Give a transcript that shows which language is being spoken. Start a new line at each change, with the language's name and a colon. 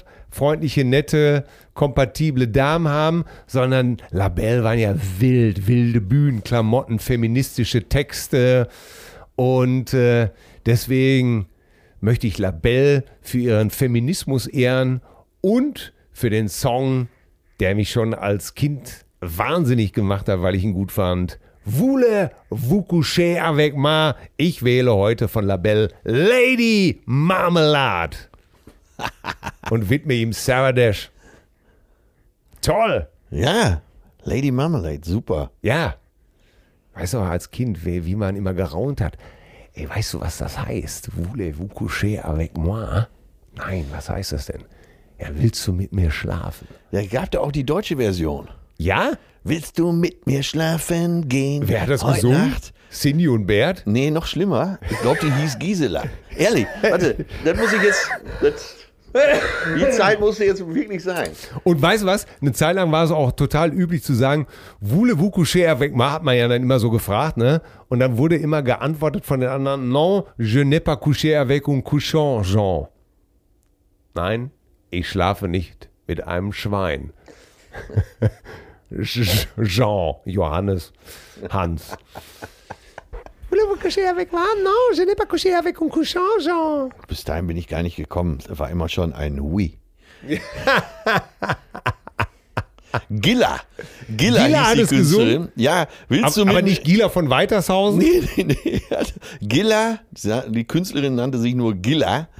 German: freundliche, nette, kompatible Damen haben, sondern LaBelle waren ja wild, wilde Bühnenklamotten, feministische Texte und deswegen möchte ich LaBelle für ihren Feminismus ehren und für den Song, der mich schon als Kind wahnsinnig gemacht hat, weil ich ihn gut fand.
French: Voulez vous coucher avec moi?
German: Ich wähle heute von LaBelle Lady Marmelade. Und widme ihm Sarah Dash. Toll! Ja, Lady Marmalade, super. Ja. Weißt du, als Kind, wie man immer geraunt hat. Ey, weißt du, was das heißt?
French: Voulez vous coucher avec moi?
German: Nein, was heißt das denn? Ja, willst du mit mir schlafen? Ja, gab da auch die deutsche Version. Ja? Willst du mit mir schlafen gehen? Wer hat das gesucht? Cindy und Bert? Nee, noch schlimmer. Ich glaube, die hieß Gisela. Ehrlich, warte, das muss ich jetzt... Die Zeit musste jetzt wirklich sein. Und weißt du was? Eine Zeit lang war es auch total üblich zu sagen,
French: voulez vous coucher avec moi,
German: hat man ja dann immer so gefragt, ne? Und dann wurde immer geantwortet von den anderen,
French: non, je n'ai pas couché avec un couchant, Jean.
German: Nein, ich schlafe nicht mit einem Schwein. Jean, Johannes, Hans.
French: Voulez vous coucher avec moi? Non, je n'ai pas couché avec un couchant, Jean.
German: Bis dahin bin ich gar nicht gekommen. Das war immer schon ein Oui. Gilla. Gilla hat es gesungen. Ja, willst du aber nicht Gilla von Weitershausen? Nee. Gilla, die Künstlerin nannte sich nur Gilla.